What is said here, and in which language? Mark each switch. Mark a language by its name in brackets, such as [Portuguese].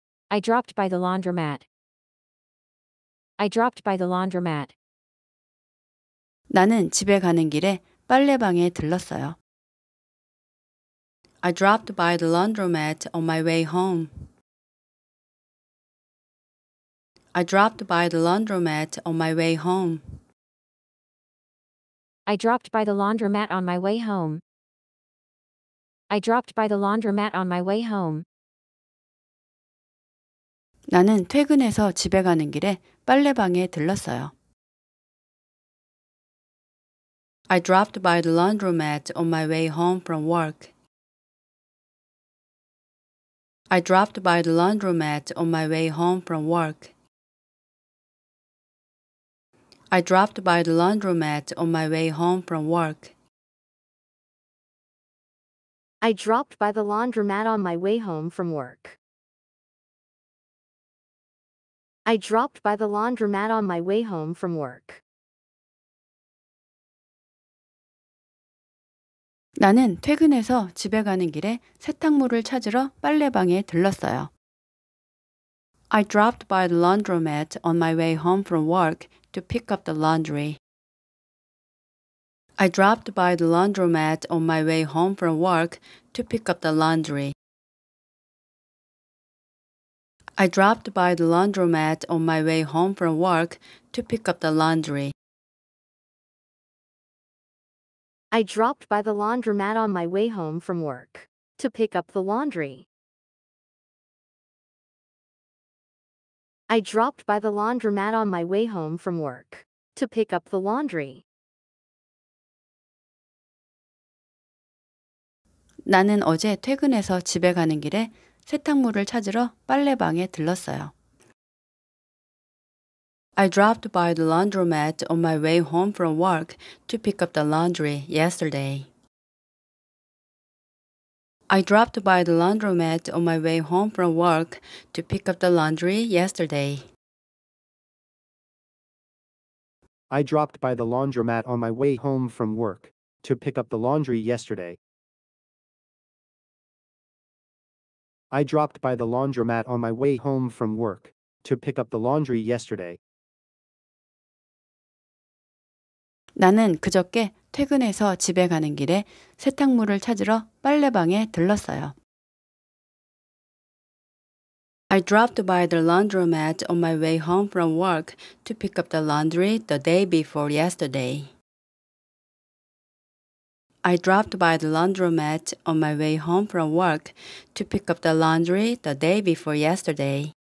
[English] I dropped by the laundromat. I dropped by the laundromat. [Korean] 나는 집에 가는 길에 빨래방에 들렀어요. [English] I dropped by the laundromat on my way home. I dropped by the laundromat on my way home. I dropped by the laundromat on my way home. I dropped by the laundromat on my way home. [Korean] 나는 퇴근해서 집에 가는 길에 빨래방에 들렀어요. [English] I dropped by the laundromat on my way home from work. I dropped by the laundromat on my way home from work. I dropped by the laundromat on my way home from work. I dropped by the laundromat on my way home from work. I dropped by the laundromat on my way home from work. [Korean] 나는 퇴근해서 집에 가는 길에 세탁물을 찾으러 빨래방에 들렀어요. [English] I dropped by the laundromat on my way home from work to pick up the laundry. I dropped by the laundromat on my way home from work to pick up the laundry. I dropped by the laundromat on my way home from work to pick up the laundry. I dropped by the laundromat on my way home from work to pick up the laundry. I dropped by the laundromat on my way home from work to pick up the laundry. [Korean] 나는 어제 퇴근해서 집에 가는 길에 세탁물을 찾으러 빨래방에 들렀어요. [English] I dropped by the laundromat on my way home from work to pick up the laundry yesterday. I dropped by the laundromat on my way home from work to pick up the laundry yesterday. I dropped by the laundromat on my way home from work to pick up the laundry yesterday. I dropped by the laundromat on my way home from work to pick up the laundry yesterday. [Korean] 나는 그저께 퇴근해서 집에 가는 길에 세탁물을 찾으러 빨래방에 들렀어요. [English] I dropped by the laundromat on my way home from work to pick up the laundry the day before yesterday. I dropped by the laundromat on my way home from work to pick up the laundry the day before yesterday.